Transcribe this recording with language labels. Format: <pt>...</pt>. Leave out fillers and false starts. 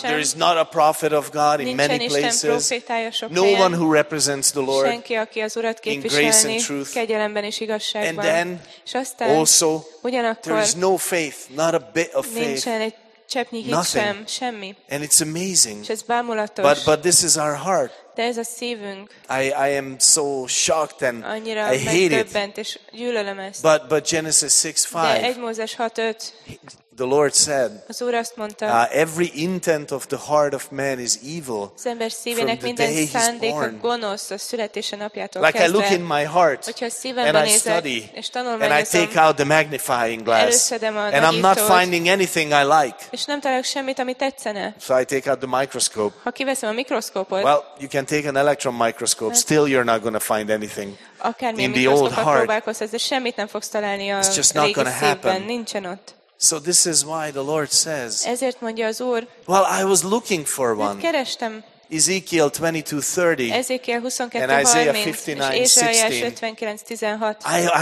<en>There is not a prophet of God in many places. No one who represents the Lord</en> <hu>senki, aki az Urat képviselni,</hu> <en>in grace and truth.</en> <hu>Kegyelemben és igazságban.</hu> <en>And then,</en> <hu>és aztán,</hu> <en>also,</en> <hu>ugyanakkor,</hu> <en>there is no faith, not a bit of faith.</en> <hu>Cseppnyi hit sem, semmi.</hu> <en>And it's amazing.</en> <hu>És ez bámulatos.</hu> <en>But this is our heart.</en> <hu>De ez a szívünk.</hu> <en>I am so shocked and</en> <hu>annyira</hu> <en>I hate it.</en> <hu>Megdöbbent, és gyűlölöm ezt.</hu> <en>But Genesis 6:5.</en> <hu>De 1 Mózes 6:5.</hu> <en>The Lord said,</en> <hu>az Úr azt mondta,</hu> <en>every intent of the heart of man is evil</en> <hu>az ember szívének</hu> <en>from the</en> <hu>minden</hu> <en>day</en> <hu>szándéka</hu> <en>he's born.</en> <hu>Gonosz a születése napjától</hu> <en>like</en> <hu>kezdve.</hu> <en>I look in my heart and I study</en> <hu>és tanulmányozom,</hu> <en>and I take out the magnifying glass and</en> <hu>nagyítót,</hu> <en>I'm not finding anything I like.</en> <hu>És nem találok semmit, ami tetszene.</hu> <en>So I take out the microscope.</en> <hu>Ha kiveszem a mikroszkópot,</hu> <en>well, you can take an electron microscope, still you're not going to find anything in the old heart.</en> <hu>De semmit nem fogsz találni a</hu> <en>it's</en> <hu>régi</hu> <en>just not gonna happen.</en> <hu>Nincsen ott.</hu> <en>So this is why the Lord says,</en> <hu>ezért mondja az Úr,</hu> <en>well, I was looking for one.</en> <hu>Kerestem.</hu> <en>Ezekiel 22:30.</en> <hu>Ezekiel 22:30.</hu> <en>And Isaiah 59:16.</en>